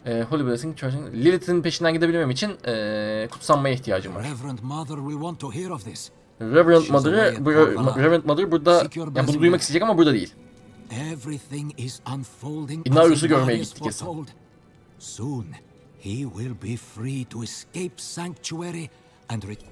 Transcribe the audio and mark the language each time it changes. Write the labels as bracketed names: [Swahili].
[Turkish] Holy Blessing Church'ın Lilith'in peşinden gidebilmem için kutsanmaya ihtiyacım var. [English] Reverend Mother will want to hear of this. [Turkish] Reverend Mother burada yani bunu duymak isteyecek ama burada değil. [English] Everything is unfolding. [Turkish] İnarius'u görmeye gittik kesin. [English] Soon he will be free to escape sanctuary and